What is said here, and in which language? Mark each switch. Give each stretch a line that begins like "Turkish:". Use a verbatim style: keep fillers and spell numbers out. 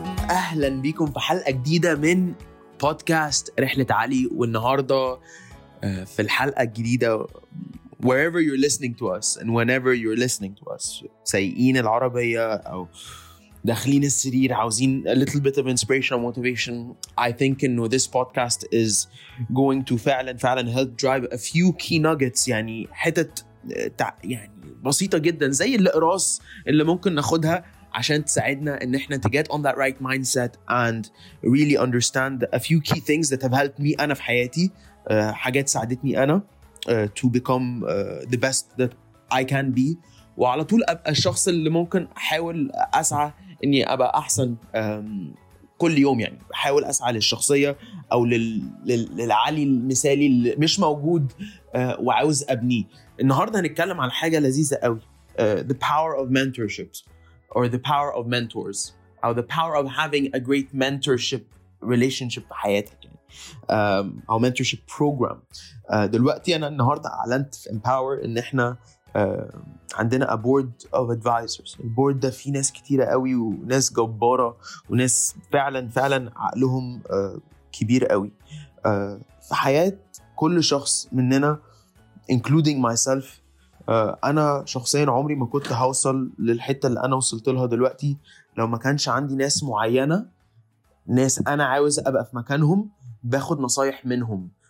Arabic: أهلا بيكم في حلقة جديدة من بودكاست رحلة علي. والنهاردة في الحلقة الجديدة
English: wherever you're listening to us and whenever you're listening to us,
Arabic: سايقين العربية أو داخلين السرير عاوزين
English: a little bit of inspiration and motivation, I think
Arabic: إنه
English: this podcast is going to
Arabic: فعلا فعلا
English: help drive a few key nuggets,
Arabic: يعني حتت يعني بسيطة جدا زي الإقراص اللي ممكن ناخدها عشان تساعدنا إن إحنا
English: to get on that right mindset and really understand a few key things that have helped me
Arabic: أنا في حياتي, uh, حاجات ساعدتني أنا uh,
English: to become
Arabic: uh,
English: the best that I can be,
Arabic: وعلى طول أبقى الشخص اللي ممكن أحاول أسعى إني أبقى أحسن um, كل يوم. يعني بحاول أسعى للشخصية أو لل... لل... للعلي المثالي اللي مش موجود آه وعاوز أبنيه. النهاردة هنتكلم عن حاجة لذيذة قوي,
English: آه the power of mentorships or the power of mentors أو the power of having a great mentorship relationship
Arabic: في حياتك, يعني آه أو
English: mentorship program.
Arabic: آه دلوقتي أنا النهاردة أعلنت في Empower إن إحنا آه عندنا
English: a board of advisors.
Arabic: البورد ده فيه ناس كتيرة قوي وناس جبارة وناس فعلا فعلا عقلهم آه كبير قوي. آه في حياة كل شخص مننا
English: including myself,
Arabic: آه أنا شخصيا عمري ما كنت هوصل للحتة اللي أنا وصلت لها دلوقتي لو ما كانش عندي ناس معينة, ناس أنا عاوز أبقى في مكانهم باخد نصايح منهم.